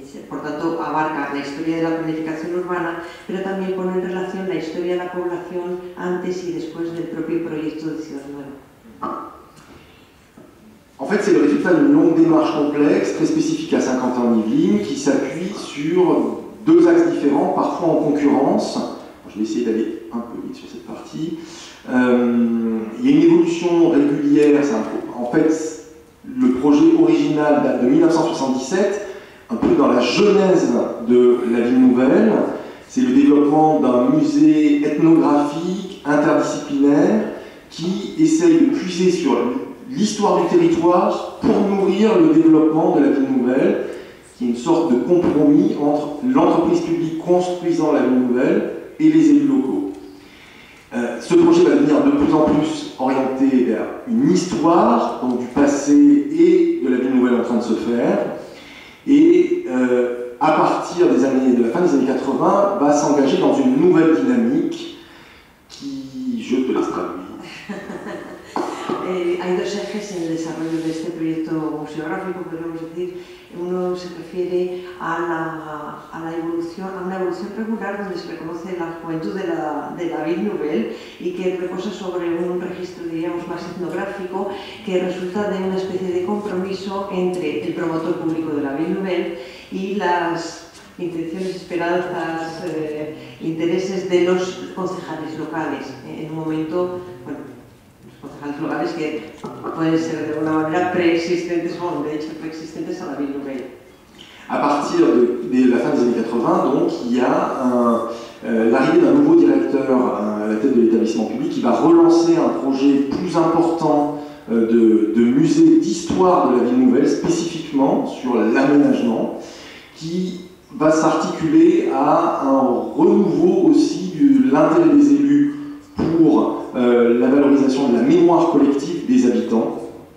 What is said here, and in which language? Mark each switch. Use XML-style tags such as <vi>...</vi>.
<es>Por tanto, abarca la historia de la planificación urbana, pero también pone en relación la historia de la población antes y después del propio proyecto de Ciudad Nueva.</es> <fr>En fait, c'est le résultat d'une longue démarche complexe, très spécifique à Saint-Quentin-en-Yvelines, qui s'appuie sur deux axes différents, parfois en concurrence. Je vais essayer d'aller un peu vite sur cette partie. Il y a une évolution régulière. En fait, le projet original date de 1977, un peu dans la genèse de la ville nouvelle. C'est le développement d'un musée ethnographique interdisciplinaire qui essaye de puiser sur l'histoire du territoire pour nourrir le développement de la ville nouvelle, qui est une sorte de compromis entre l'entreprise publique construisant la ville nouvelle et les élus locaux. Ce projet va devenir de plus en plus orienté vers une histoire, donc du passé et de la ville nouvelle en train de se faire, et à partir des années, de la fin des années 80, va s'engager dans une nouvelle dynamique qui, je te laisse traduire.</fr> <es>Hay dos ejes en el desarrollo de este proyecto museográfico, podríamos decir. Uno se refiere a una evolución regular donde se reconoce la juventud de la Ville Nouvelle y que reposa sobre un registro, diríamos, más etnográfico, que resulta de una especie de compromiso entre el promotor público de la Ville Nouvelle y las intenciones, esperanzas, intereses de los concejales locales en un momento, bueno, los concejales locales que pueden ser de alguna manera preexistentes, o de hecho preexistentes a la Ville Nouvelle.</es> <fr>A partir de la fin des années 80, donc, il y a l'arrivée d'un nouveau directeur à la tête de l'établissement public qui va relancer un projet plus important de musée d'histoire de la Ville Nouvelle, spécifiquement sur l'aménagement, qui va s'articuler à un renouveau aussi de l'intérêt des élus pour la valorisation de la mémoire collective des habitants.</fr>